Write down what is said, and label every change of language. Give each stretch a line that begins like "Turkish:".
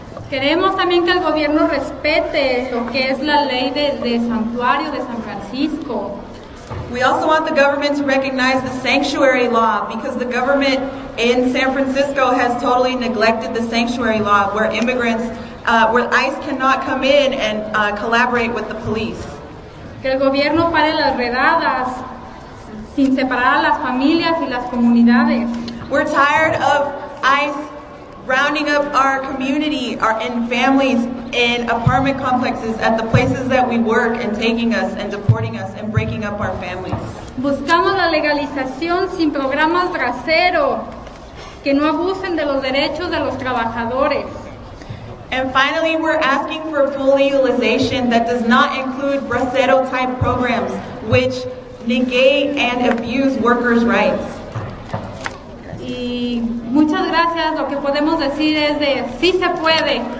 Spanish: Queremos también que el gobierno respete lo que es la ley de santuario de San Francisco.
English: We also want the government to recognize the sanctuary law, because the government in San Francisco has totally neglected the sanctuary law, where immigrants, where ICE cannot come in and collaborate with the police.
Spanish: Que el gobierno pare las redadas sin separar a las familias y las comunidades.
English: We're tired of ICE rounding up our community, our in families, in apartment complexes, at the places that we work, and taking us and deporting us and breaking up our families.
Spanish: Buscamos la legalización sin programas brasero que no abusen de los derechos de los trabajadores.
English: And finally, we're asking for full legalization that does not include bracero type programs, which negate and abuse workers' rights.
Spanish: Y muchas gracias. Lo que podemos decir es de sí se puede.